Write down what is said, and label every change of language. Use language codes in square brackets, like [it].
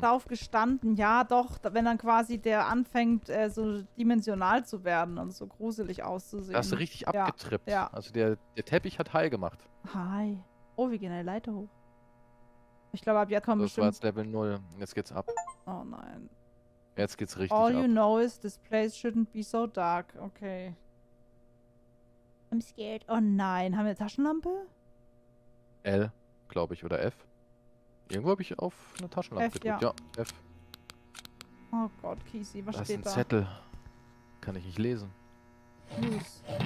[de] Draufgestanden, ja, doch. Wenn dann quasi der anfängt, so dimensional zu werden und so gruselig auszusehen. Hast du richtig abgetrippt. Ja. Also der Teppich hat heil gemacht. [en] Hi. [de] Oh, wir gehen eine Leiter hoch. Ich glaube, ab jetzt kommen wir bestimmt... Das war jetzt Level 0. Jetzt geht's ab. Oh nein. Jetzt geht's richtig [en] All [de] ab. [en] All you know is this place shouldn't be so dark. Okay. I'm scared. [de] Oh nein. Haben wir eine Taschenlampe? L, glaube ich, oder F. Irgendwo habe ich auf eine Taschenlampe gedrückt. Ja. F. Oh Gott, Kisi, was steht da? Das ist ein Zettel. Kann ich nicht lesen. [en] News.